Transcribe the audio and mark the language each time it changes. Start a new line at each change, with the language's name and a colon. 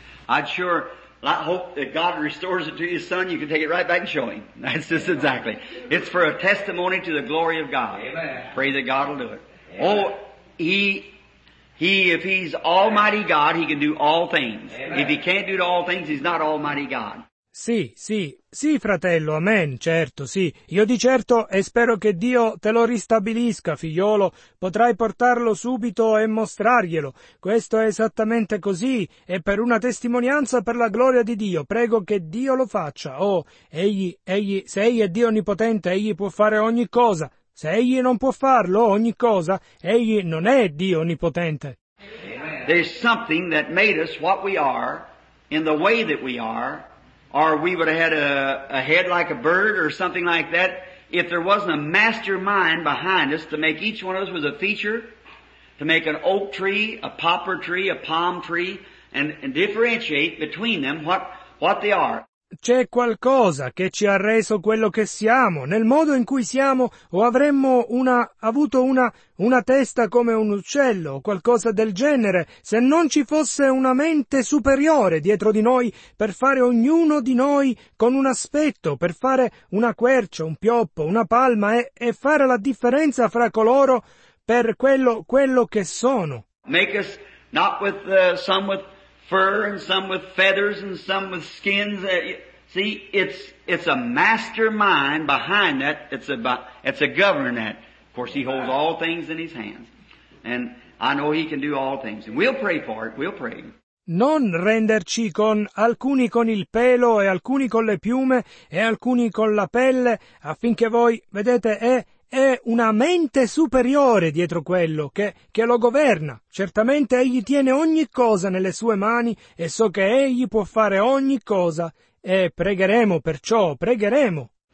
English: I'd sure, I hope that God restores it to you, son. You can take it right back and show him. That's just exactly. It's for a testimony to the glory of God. Amen. Pray that God will do it. Amen. Oh, he, if he's Almighty God, he can do all things. Amen. If he can't do all things, he's not Almighty God.
Italian: Sì, sì, sì, fratello, amen, certo, sì. Io di certo e spero che Dio te lo ristabilisca, figliolo. Potrai portarlo subito e mostrarglielo. Questo è esattamente così e per una testimonianza per la gloria di Dio. Prego che Dio lo faccia. Oh, egli, se egli è Dio onnipotente, egli può fare ogni cosa. Se egli non può farlo, ogni cosa, egli non è Dio onnipotente. Amen.
English: There's something that made us what we are in the way that we are. Or we would have had a head like a bird or something like that if there wasn't a mastermind behind us to make each one of us with a feature, to make an oak tree, a poplar tree, a palm tree, and differentiate between them what they are.
Italian: C'è qualcosa che ci ha reso quello che siamo, nel modo in cui siamo, o avremmo avuto una testa come un uccello, o qualcosa del genere, se non ci fosse una mente superiore dietro di noi per fare ognuno di noi con un aspetto, per fare una quercia, un pioppo, una palma e fare la differenza fra coloro per quello che sono.
English: Make us not with some with fur and some with feathers and some with skins. See, it's a mastermind behind that. It's a governing that. Of course, he holds all things in his hands, and I know he can do all things. And we'll pray for it. We'll pray.
Italian: Non renderci con alcuni con il pelo e alcuni con le piume e alcuni con la pelle, affinché voi vedete è una mente superiore dietro quello che lo governa. Certamente egli tiene ogni cosa nelle sue mani e so che egli può fare ogni cosa e pregheremo perciò, pregheremo.